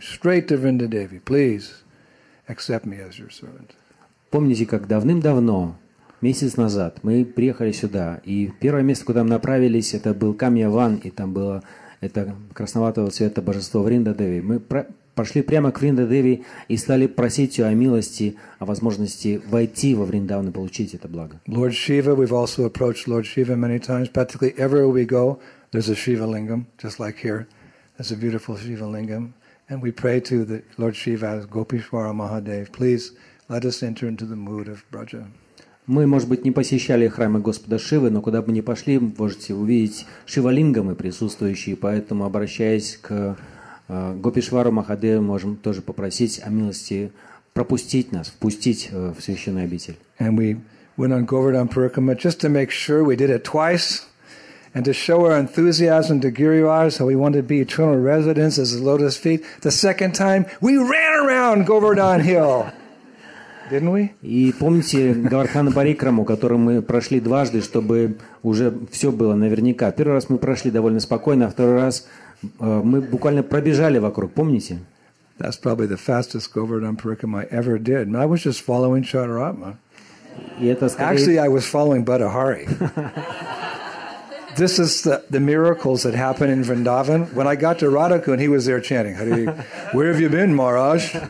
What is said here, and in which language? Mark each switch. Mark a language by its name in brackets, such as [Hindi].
[English] Straight to Vrindadevi, please accept me as your servant. [Russian] Помните, как давным-давно, месяц назад, мы приехали сюда, и первое место, куда мы направились, это был Камья-ван, и там было это красноватого цвета божество Вриндадеви. Мы пошли прямо к Вриндадеви и стали просить ее о милости, о возможности войти во Вриндаван и получить это благо. [English] Lord Shiva, we've also approached Lord Shiva many times. Practically everywhere we go, there's a Shiva Lingam, just like here. There's a beautiful Shiva Lingam. And we pray to the Lord Shiva, Gopishwara Mahadev, please let us enter into the mood of Braja. [Russian] Мы, может быть, не посещали храмы Господа Шивы, но куда бы ни пошли, можете увидеть Шивалингамы присутствующие, поэтому, обращаясь к Гопишвару Махадеву, можем тоже попросить о милости пропустить нас, впустить в священную обитель. [English] And we went on Govardhan Parikrama just to make sure we did it twice and to show our enthusiasm to Giriraj, how we wanted to be eternal residents as the lotus feet. The second time, we ran around Govardhan Hill. Didn't we? [Russian] И помните Говардхана Парикраму, который мы прошли дважды, чтобы уже все было наверняка. Первый раз мы прошли довольно спокойно, а второй раз мы буквально пробежали вокруг. Помните? [English] That's probably the fastest Govardhan Parikrama I ever did. I was just following Chaturatma. Actually, I was following Buddhahari. This is the miracles that happen in Vrindavan. When I got to Radhaku and he was there chanting, "Where have you been, Maharaj?"